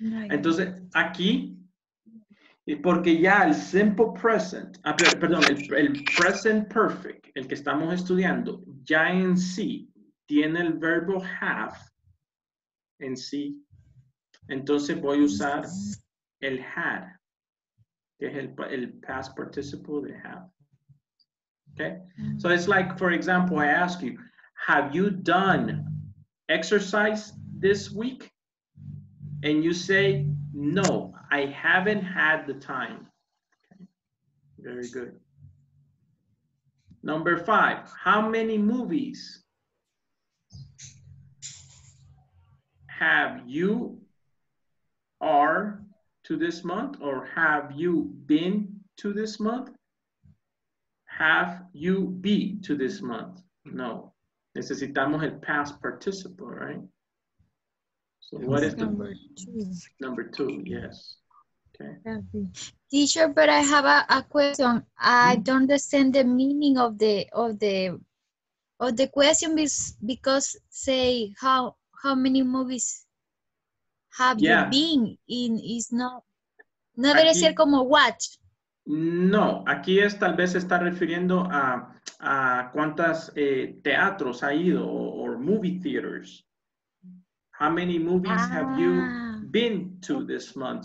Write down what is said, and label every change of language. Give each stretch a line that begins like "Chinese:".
Spanish: Entonces, aquí, porque ya el simple present, el present perfect, el que estamos estudiando, ya en sí, tiene el verbo have. En sí, entonces voy a usar el had, que es el past participle de have.
English: Okay, so it's like, for example, I ask you, have you done exercise this week? And you say, no, I haven't had the time. Okay. Very good. Number five, how many movies have you are to this month, or have you been to this month? Have you be to this month? No.
Spanish: Necesitamos el
English: past participle, right? So what is number two? Yes. Okay. Teacher, but I have a question. I don't understand the meaning of the question because say how many movies have you been in is not
Spanish: debe ser como
English: watch.
Spanish: No, aquí es tal vez está refiriendo a cuántas teatros ha ido
English: or movie theaters. How many movies have you been to this month?